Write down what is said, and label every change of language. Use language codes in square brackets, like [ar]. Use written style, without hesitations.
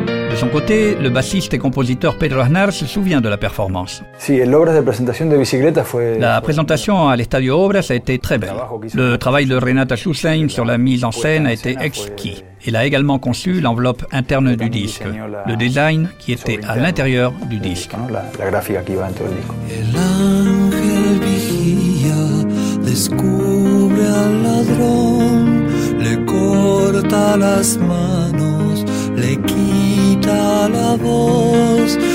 [fr] De son côté, le bassiste et compositeur Pedro Aznar se souvient de la performance. [es] Sí, el Obras de presentación de Bicicleta fue... [fr] La présentation à l'Estadio Obras a été très belle. Le travail de Renata Schussein sur la mise en scène a été exquis. Elle a également conçu l'enveloppe interne du disque, le design qui était à l'intérieur du disque. [es] La gráfica qui va dentro del disco. El ángel vigía, descubre al ladrón, le corta las manos, le quita la voz.